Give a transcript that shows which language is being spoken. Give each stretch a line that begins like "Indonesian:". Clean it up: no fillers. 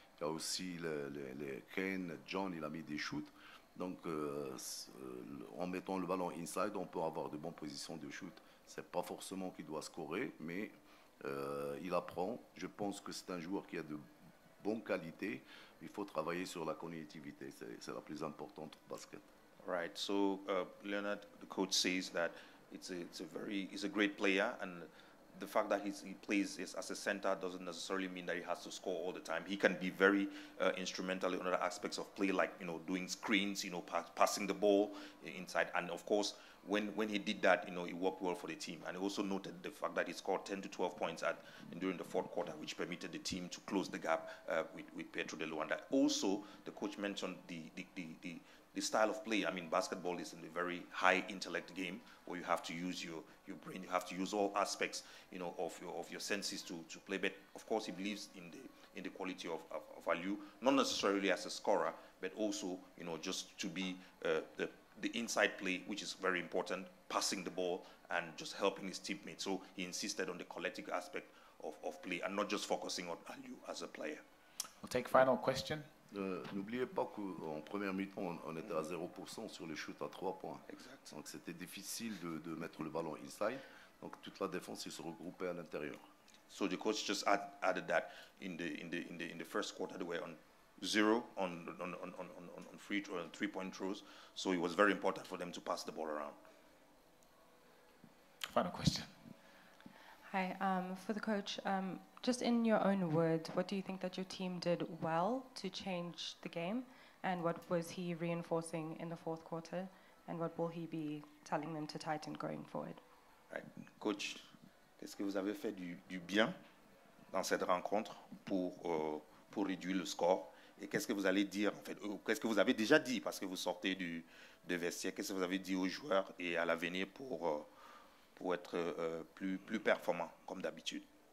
French: Il y a aussi les Kane, John, il a mis des shoots. Donc, en mettant le ballon inside, on peut avoir de bonnes positions de shoot. C'est pas forcément qu'il doit scorer, mais il apprend. Je pense que c'est un joueur qui a de bonnes qualités. Il faut travailler sur la cognitivité. C'est la plus importante au basket.
English: Right. So, Leonard, the coach says that it's a great player, and the fact that he plays as a center doesn't necessarily mean that he has to score all the time. He can be very instrumental in other aspects of play, like, you know, doing screens, you know, passing the ball inside. And of course, when he did that, you know, it worked well for the team. And he also noted the fact that he scored 10 to 12 points during the fourth quarter, which permitted the team to close the gap with Petro de Luanda. Also, the coach mentioned the style of play. I mean, basketball is in a very high intellect game where you have to use your brain, you have to use all aspects, you know, of your senses to play. But of course, he believes in the quality of value, not necessarily as a scorer, but also, you know, just to be the inside play, which is very important, passing the ball and just helping his teammates. So he insisted on the collective aspect of play and not just focusing on value as a player. We'll take final question.
French: N'oubliez pas qu'en première mi-temps, on était à 0% sur les shoots à 3 points. Exact. Donc c'était difficile de mettre le ballon inside. Donc toute la défense, il se regroupait à l'intérieur.
English: So the coach just added that in the first quarter, they were on 0 on free throw, on 3-point throws. So it was very important for them to pass the ball around. Final question. Hi, for the coach. Just in your own words, what do you think that your team did well to change the game? And what was he reinforcing in the fourth quarter? And what will he be telling them to tighten going forward? Right.
French: Coach, qu'est-ce que vous avez fait du bien dans cette rencontre pour réduire le score? Et qu'est-ce que vous allez dire, en fait? Qu'est-ce que vous avez déjà dit parce que vous sortez de vestiaire? Qu'est-ce que vous avez dit aux joueurs et à l'avenir pour être plus performant comme d'habitude?